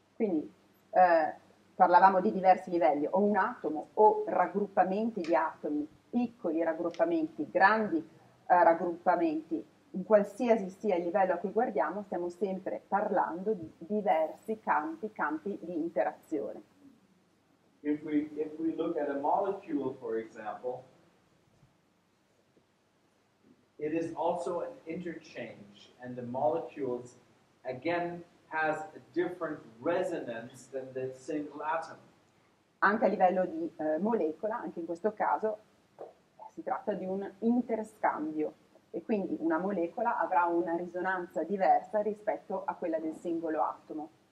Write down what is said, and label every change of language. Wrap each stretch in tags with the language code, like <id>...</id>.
<it>Quindi parlavamo di diversi livelli, o un atomo o raggruppamenti di atomi, piccoli raggruppamenti, grandi raggruppamenti, in qualsiasi sia il livello a cui guardiamo, stiamo sempre parlando di diversi campi di interazione.</it> <en>If we look at a molecule, for example, it is also an interchange, and the molecules again has a different resonance than the single atom.</en> <it>Anche a livello di molecola, anche in questo caso, si tratta di un interscambio e quindi una molecola avrà una risonanza diversa rispetto a quella del singolo atomo.</it>